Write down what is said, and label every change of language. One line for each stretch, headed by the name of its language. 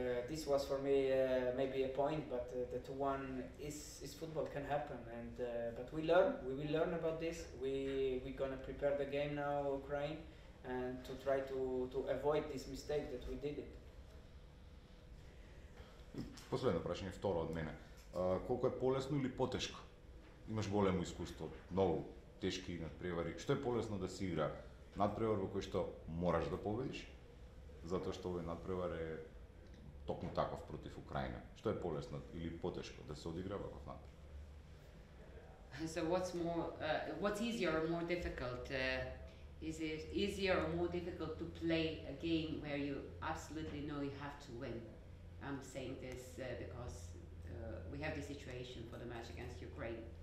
English: This was for me maybe a point, but the 2-1 is football, can happen. And but we learn. We will learn about this. We're going to prepare the game now, Ukraine, and to try to avoid this mistake that we did it.
Macedonian: Последно прашање, второ од мене. Колку е полесно или потешко? Имаш големо искуство, многу тешки надпревари. Што е полесно да си игра? Надпревар во кој што мораш да победиш, затоа што овој надпревар е токму таков против Украина. Што е полесно или потешко да се одигра во надпревар?
English: So what's more what's easier or more difficult? Is it easier or more difficult to play a game where you absolutely know you have to win? I'm saying this because we have the situation for the match against Ukraine.